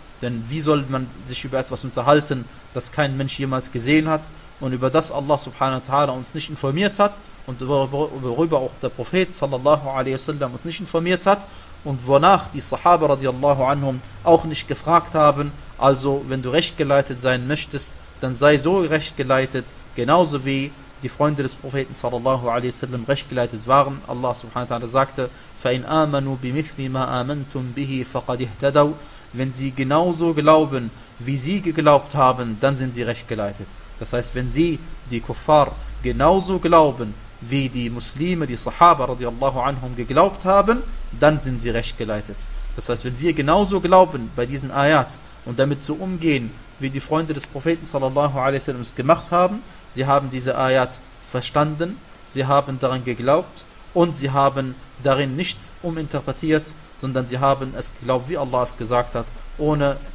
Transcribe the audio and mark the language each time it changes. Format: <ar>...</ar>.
<de>Denn wie soll man sich über etwas unterhalten, das kein Mensch jemals gesehen hat und über das Allah subhanahu wa ta'ala uns nicht informiert hat und worüber auch der Prophet sallallahu alaihi wasallam uns nicht informiert hat und wonach die Sahaba radiallahu anhum auch nicht gefragt haben. Also, wenn du rechtgeleitet sein möchtest, dann sei so rechtgeleitet, genauso wie die Freunde des Propheten sallallahu alaihi wasallam rechtgeleitet waren. Allah subhanahu wa ta'ala sagte:</de> <ar>فَإِنْ آمَنُوا بِمِثْلِ مَا آمَنْتُمْ بِهِ فَقَدْ اِهْتَدَوْا.</ar> <de>Wenn sie genauso glauben, wie sie geglaubt haben, dann sind sie rechtgeleitet. Das heißt, wenn sie, die Kuffar, genauso glauben, wie die Muslime, die Sahaba radiallahu anhum, geglaubt haben, dann sind sie rechtgeleitet. Das heißt, wenn wir genauso glauben bei diesen Ayat und damit so umgehen, wie die Freunde des Propheten sallallahu alaihi wasallam es gemacht haben, sie haben diese Ayat verstanden, sie haben daran geglaubt und sie haben darin nichts uminterpretiert, sondern sie haben es geglaubt, wie Allah es gesagt hat, ohne</de>